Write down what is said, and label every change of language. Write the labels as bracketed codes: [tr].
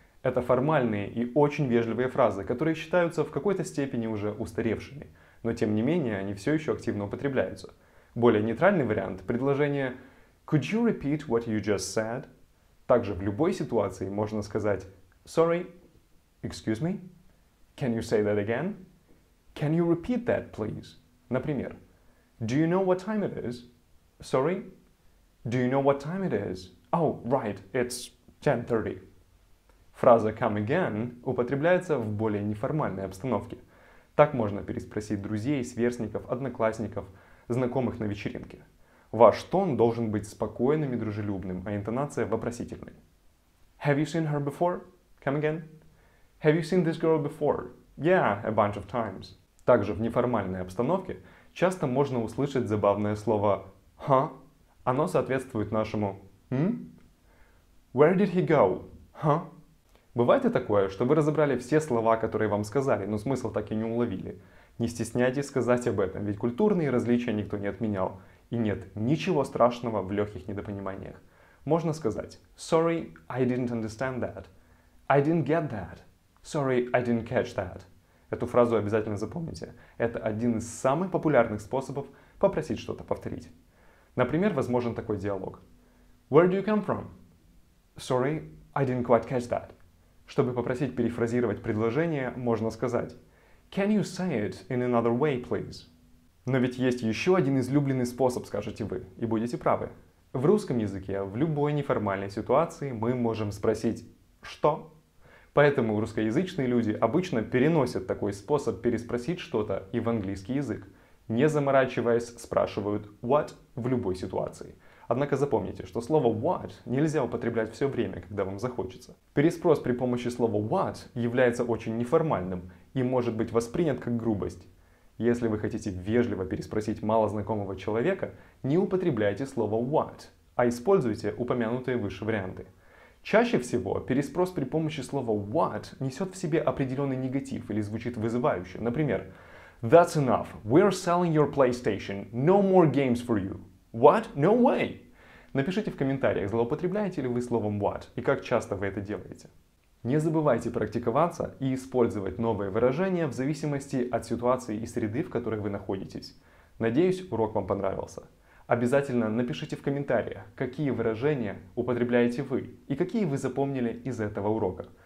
[ru] Это формальные и очень вежливые фразы, которые считаются в какой-то степени уже устаревшими. Но тем не менее, они все еще активно употребляются. Более нейтральный вариант – предложение [en] Could you repeat what you just said? [ru] Также в любой ситуации можно сказать [en] Sorry? Excuse me? Can you say that again? Can you repeat that, please? [ru] Например, [en] do you know what time it is? Sorry? Do you know what time it is? Oh, right, it's 10:30. [ru] Фраза come again употребляется в более неформальной обстановке. Так можно переспросить друзей, сверстников, одноклассников, знакомых на вечеринке. Ваш тон должен быть спокойным и дружелюбным, а интонация вопросительной. [en] Have you seen her before? Come again. Have you seen this girl before? Yeah, a bunch of times. [ru] Также в неформальной обстановке часто можно услышать забавное слово «ха». Оно соответствует нашему «м». [en] Where did he go? Huh? [ru] Бывает и такое, что вы разобрали все слова, которые вам сказали, но смысл так и не уловили. Не стесняйтесь сказать об этом, ведь культурные различия никто не отменял. И нет ничего страшного в легких недопониманиях. Можно сказать [en] «Sorry, I didn't understand that». «I didn't get that». «Sorry, I didn't catch that». [ru] Эту фразу обязательно запомните. Это один из самых популярных способов попросить что-то повторить. Например, возможен такой диалог. [en] Where do you come from? Sorry, I didn't quite catch that. [ru] Чтобы попросить перефразировать предложение, можно сказать [en] Can you say it in another way, please? [ru] Но ведь есть еще один излюбленный способ, скажете вы, и будете правы. В русском языке в любой неформальной ситуации мы можем спросить «что?». Поэтому русскоязычные люди обычно переносят такой способ переспросить что-то и в английский язык. Не заморачиваясь, спрашивают «what» в любой ситуации. Однако запомните, что слово «what» нельзя употреблять все время, когда вам захочется. Переспрос при помощи слова «what» является очень неформальным и может быть воспринят как грубость. Если вы хотите вежливо переспросить малознакомого человека, не употребляйте слово «what», а используйте упомянутые выше варианты. Чаще всего переспрос при помощи слова what несет в себе определенный негатив или звучит вызывающе. Например, [en] That's enough. We're selling your PlayStation. No more games for you. What? No way! [ru] Напишите в комментариях, злоупотребляете ли вы словом what и как часто вы это делаете. Не забывайте практиковаться и использовать новые выражения в зависимости от ситуации и среды, в которой вы находитесь. Надеюсь, урок вам понравился. Обязательно напишите в комментариях, какие выражения употребляете вы и какие вы запомнили из этого урока.